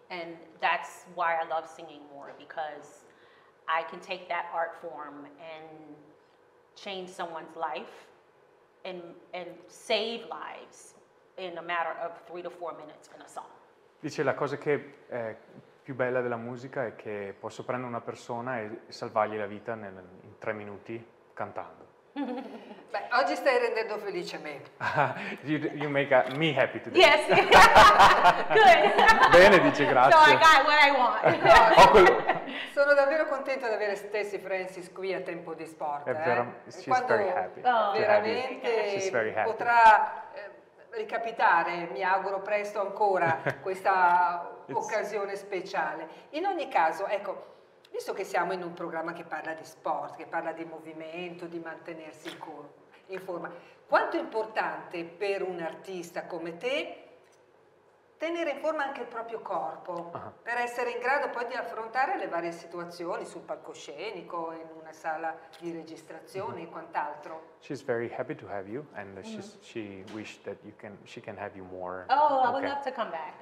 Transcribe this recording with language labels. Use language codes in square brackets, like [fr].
[en] And that's why I love singing more, because I can take that art form and change someone's life and save lives in a matter of 3 to 4 minutes in a song. [it] Dice la cosa che è più bella della musica è che posso prendere una persona e salvargli la vita in 3 minuti cantando. Beh, oggi stai rendendo felice me. [en] you make me happy today. Yes. Good. [it] Bene, dice grazie. [en] So I got what I want. [it] Sono davvero contenta di avere Stacy Francis qui a Tempo di Sport. [en] She's very happy. [it] Veramente potrà ricapitare, mi auguro presto ancora, questa occasione speciale. In ogni caso, ecco, visto che siamo in un programma che parla di sport, che parla di movimento, di mantenersi in forma, quanto è importante per un artista come te tenere in forma anche il proprio corpo, per essere in grado poi di affrontare le varie situazioni sul palcoscenico, in una sala di registrazione e quant'altro? [en] She's very happy to have you, and she wished that she can have you more. Oh, okay. I would love to come back.